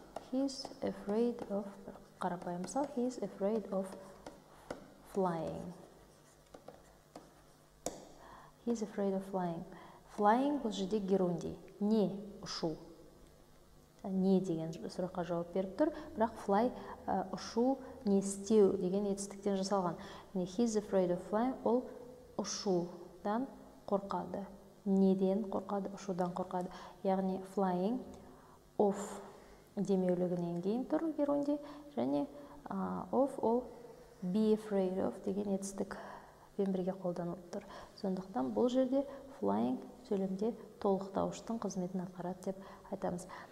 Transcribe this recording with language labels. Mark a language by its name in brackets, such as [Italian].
[English] He's afraid of, [Kazakh] қарапайым мысал, [English] he's afraid of flying. He's afraid of flying. [Kazakh] Flying бұл жерде герунди. Не ұшу. Не деген сұраққа жауап беріп тұр, бірақ fly ұшу, не істеу деген етістіктен жасалған. [English] He's afraid of flying, [Kazakh] ол ұшудан қорқады. Неден қорқады? Ұшудан қорқады. Яғни flying of демеулігінен кейін тұр герунди, және of ол be afraid of деген етістікпен бірге қолданылып тұр. Сондықтан бұл жерде flying сөйлемде толықтауыштың қызметін атқарады деп айтамыз.